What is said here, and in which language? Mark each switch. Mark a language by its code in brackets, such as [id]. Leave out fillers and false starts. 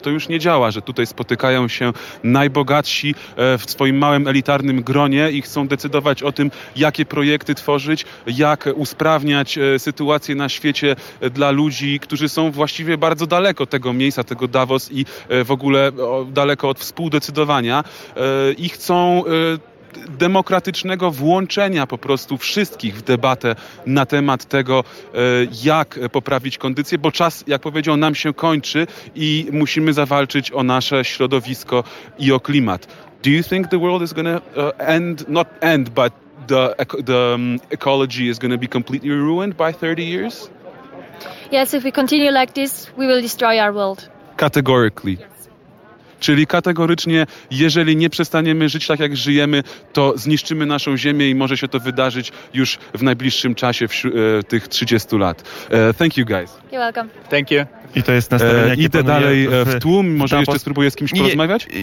[pl] To już nie działa, że tutaj spotykają się najbogatsi w swoim małym, elitarnym gronie i chcą decydować o tym, jakie projekty tworzyć, jak usprawniać sytuację na świecie dla ludzi, którzy są właściwie bardzo daleko tego miejsca, tego Davos i w ogóle daleko od współdecydowania i chcą demokratycznego włączenia po prostu wszystkich w debatę na temat tego, jak poprawić kondycję, bo czas, jak powiedział, nam się kończy i musimy zawalczyć o nasze środowisko i o klimat. [en] Do you think the world is gonna end, not end, but the ecology is gonna be completely ruined by 30 years? Yes, if we continue like this, we will destroy our world. Categorically. [pl] Czyli kategorycznie, jeżeli nie przestaniemy żyć tak, jak żyjemy, to zniszczymy naszą ziemię i może się to wydarzyć już w najbliższym czasie, w tych 30 lat. [en] Thank you, guys. You're welcome. Thank you. [pl] I to jest następne, jakie idę dalej w tłum, może jeszcze spróbuję z kimś porozmawiać?